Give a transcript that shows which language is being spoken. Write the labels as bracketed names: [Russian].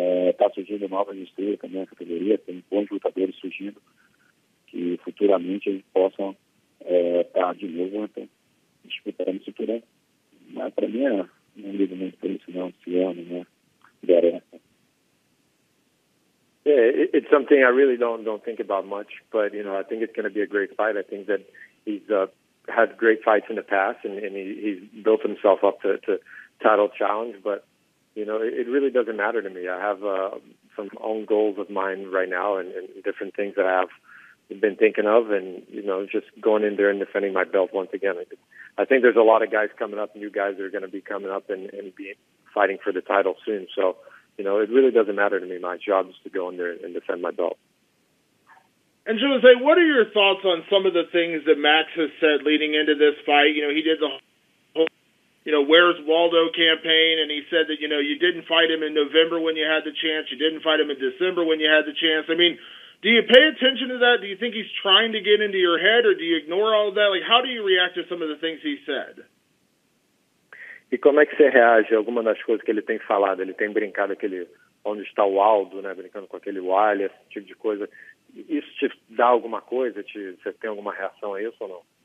[Portuguese] Está surgindo novas estrelas também na categoria, tem bons lutadores surgindo, que futuramente eles possam estar de novo, então. Disputando o cinturão. Mas para mim, não ligo muito por isso, não. Se ama, né? Garanta. [English] Yeah, it's something I really don't think about much, but, you know, I think it's going to be a great fight. I think that he's had great fights in the past, and he's built himself up to title challenge, but, you know, it really doesn't matter to me. I have some own goals of mine right now and different things that I have been thinking of, and, you know, just going in there and defending my belt once again. I think there's a lot of guys coming up, new guys that are going to be coming up and be fighting for the title soon. So, you know, it really doesn't matter to me. My job is to go in there and defend my belt. And Jose, what are your thoughts on some of the things that Max has said leading into this fight? You know, he did the whole, you know, Where's Waldo campaign, and he said that, you know, you didn't fight him in November when you had the chance. You didn't fight him in December when you had the chance. I mean, do you pay attention to that? Do you think he's trying to get into your head, or do you ignore all of that? Like, how do you react to some of the things he said? [Portuguese] E como é que você reage a alguma das coisas que ele tem falado? Ele tem brincado aquele, onde está o Aldo, né? Brincando com aquele Wally, esse tipo de coisa. Isso te dá alguma coisa? Você tem alguma reação a isso ou não?